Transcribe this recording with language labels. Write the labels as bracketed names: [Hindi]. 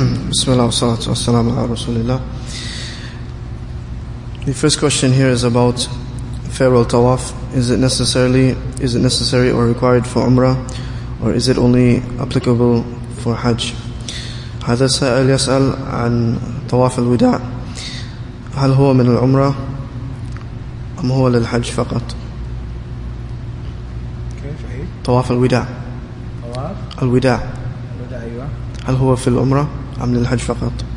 [Arabic] بسم الله والصلاة والسلام على رسول الله. [English] The first question here is about farewell tawaf. Is it necessary or required for Umrah, or is it only applicable for Hajj? [Arabic] هذا سائل يسأل عن طواف الوداع. هل هو من العمرة أم هو للحج فقط؟ كيف هي؟ طواف الوداع. طواف؟ الوداع. الوداع أيوة. هل هو في العمرة أم للحج فقط؟